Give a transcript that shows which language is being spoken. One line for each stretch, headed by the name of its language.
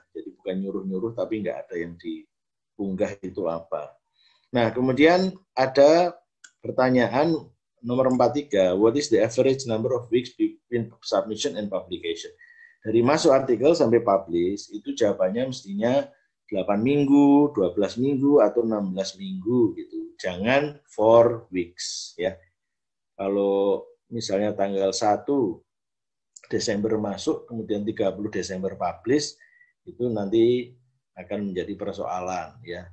Indonesian: Jadi bukan nyuruh-nyuruh, tapi nggak ada yang diunggah itu apa.
English: Nah, kemudian ada pertanyaan nomor 43, what is the average number of weeks between submission and publication?
Indonesian: Dari masuk artikel sampai publish, itu jawabannya mestinya 8 minggu, 12 minggu, atau 16 minggu gitu. Jangan 4 weeks ya. Kalau misalnya tanggal 1 Desember masuk, kemudian 30 Desember publish, itu nanti akan menjadi persoalan ya.